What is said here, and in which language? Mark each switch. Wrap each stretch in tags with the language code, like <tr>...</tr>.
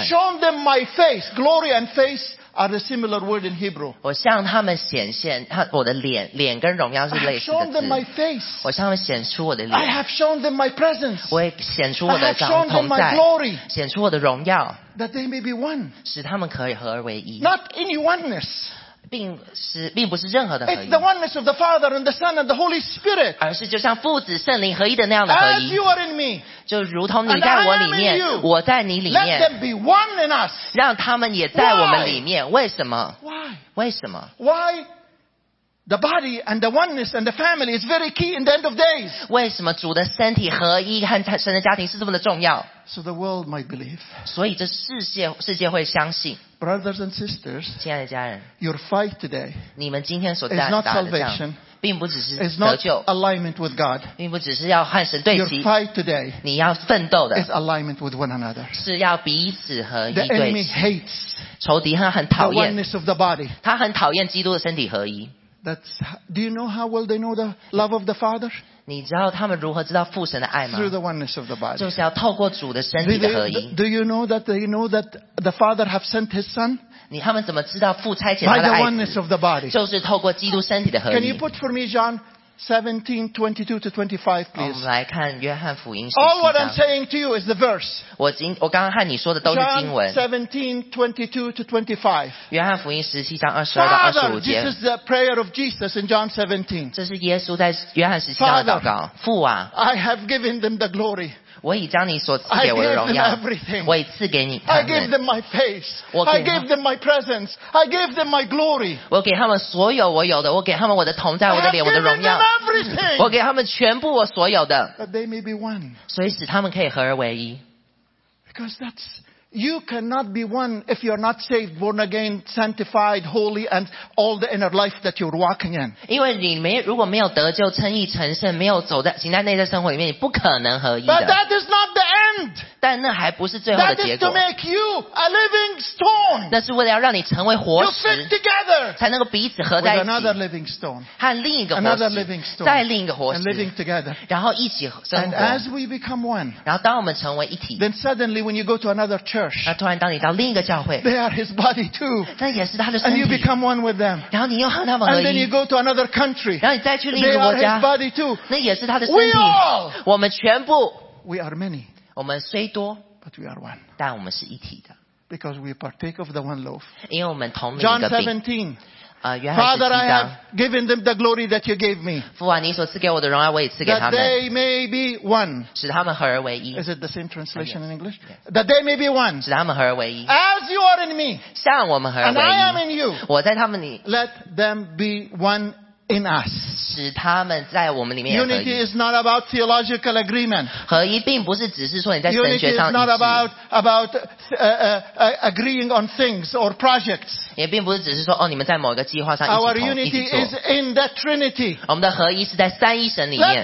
<en>I have shown them my face. Glory and face are the similar word in Hebrew.</en> <zh>我向他们显现我的脸，脸跟荣耀是类似的字。</zh> <en>I have shown them my face.</en> <zh>我向他们显出我的脸。</zh> <en>I have shown them my presence.</en> <zh>我也显出我的同在。</zh> <en>I have shown them my glory.</en> <zh>显出我的荣耀。</zh> <en>That they may be one.</en> <zh>使他们可以合而为一。</zh> <en>Not in oneness.</en> <zh>并不是任何的合一。</zh> <en>It's the oneness of the Father and the Son and the Holy Spirit.</en> <zh>而是就像父子圣灵合一的那样的合一。</zh> <en>As you are in me,</en> <zh>就如同你在我里面，</zh> <en>and I am in you,</en> <zh>我在你里面。</zh> <en>Let them be one in us.</en> <zh>让他们也在我们里面。</zh> <en>Why?</en> <zh>为什么</zh> <en>？Why?</en> <zh>为什么</zh> <en>？Why? The body and the oneness and the family is very key in the end of days.</en> <zh>为什么主的身体合一和神的家庭是这么的重要</zh> <en>？So the world might believe.</en> <zh>所以这世界会相信。</zh> <en>Brothers and sisters,</en> <zh>亲爱的家人</zh> <en>your fight today</en> <zh>你们今天所打的仗</zh> <en>is not salvation,</en> <zh>并不只是得救。</zh> <en>It's not alignment with God.</en> <zh>并不只是要和神对齐。</zh> <en>Your fight today.</en> <zh>你要奋斗的。</zh> <en>Is alignment with one another.</en> <zh>是要彼此合一对齐。</zh> <en>The enemy hates.</en> <zh>仇敌他很讨厌。</zh> <en>The oneness of the body.</en> <zh>他很讨厌基督的身体合一。</zh> <en>That's. Do you know how well they know the love of the Father?</en> <zh>你知道他们如何知道父神的爱吗？</zh> <en>Through the oneness of the body.</en> <zh>就是要透过主的身体的合一。</zh> <en>Do you know that they know that the Father have sent His Son?</en> <zh>你他们怎么知道父差遣他的爱子？就是透过基督身体的合一。</zh> <en>Can you put for me John 17:22-25, please?</en> <zh>我们来看约翰福音十七章。</zh> <en>All what I'm saying to you is the verse.</en> <zh>我刚刚和你说的都是经文。</zh> <en>17:22-25.</en> <zh>约翰福音十七章二十二到二十五节。</zh> <en>Father, this is the prayer of Jesus in John 17.</en> <zh>这是耶稣在约翰十七章的祷告。父啊</zh> <en>，I have given them the glory.</en> <zh>我已将你所赐给我的荣耀，我已赐给你他们。</zh> <en>I gave them my face. I gave them my presence. I gave them my glory.</en> <zh>我给他们所有我有的，我给他们我的同在，我的脸，我的荣耀。我给他们全部我所有的。</zh> <en>That they may be one.</en> <zh>所以使他们可以合而为一。</zh> <en>Because that's you cannot be one if you're not saved, born again, sanctified, holy, and all the inner life that you're walking in.</en> <zh>因为你没如果没有得救、称义、成圣，没有走在行在内在生活里面，你不可能合一的。</zh> <en>But that is not the end.</en> <zh>但那还不是最后的结果。</zh> <en>That is to make you a living stone.</en> <zh>那是为了要让你成为活石。</zh> <en>To fit together.</en> <zh>才能够彼此合在一起。</zh> <en>With another living stone.</en> <zh>和另一个活石。</zh> <en>Another living stone.</en> <zh>再另一个活石。</zh> <en>And living together.</en> <zh>然后一起生活。</zh> <en>And as we become one.</en> <zh>然后当我们成为一体。</zh> <en>Then suddenly, when you go to another church.</en> <zh>那突然当你到另一个教会</zh> <en>they are his body too,</en> <zh>那也是他的身体</zh> <en>and you become one with them.</en> <zh>然后你又和他们合一</zh> <en>and then you go to another country,</en> <zh>然后你再去另一个国家</zh> <en>they are his body too.</en> <zh>那也是他的身体</zh> <en>we all,</en> <zh>我们全部</zh> <en>we are many,</en> <zh>我们虽多</zh> <en>but we are one.</en> <zh>但我们是一体的</zh> <en>because we partake of the one loaf.</en> <zh>因为我们同一个饼</zh> <en>John 17 Father, I have given them the glory that you gave me.</en> <zh>父啊，你所赐给我的荣耀，我也赐给他们。</zh> <en>That they may be one.</en> <zh>使他们合而为一。</zh> <en>Is it the same translation in English? Yes. That they may be one.</en> <zh>使他们合而为一。</zh> <en>As you are in me.</en> <zh>像我们合而为一。</zh> <en>And I am in you.</en> <zh>我在他们里。</zh> <en>Let them be one in us.</en> <zh>使他们在我们里面合一。</zh> <en>Unity is not about theological agreement.</en> <zh>合一并不是只是说你在神学上一致。</zh> <en>Unity is not about agreeing on things or projects.</en> <zh>也并不是只是说哦，你们在某一个计划上一起同</zh> <en>Our unity</en> <zh>一起做。</zh> <en>Is in the Trinity.</en> <zh>我们的合一是在三一神里面。</zh>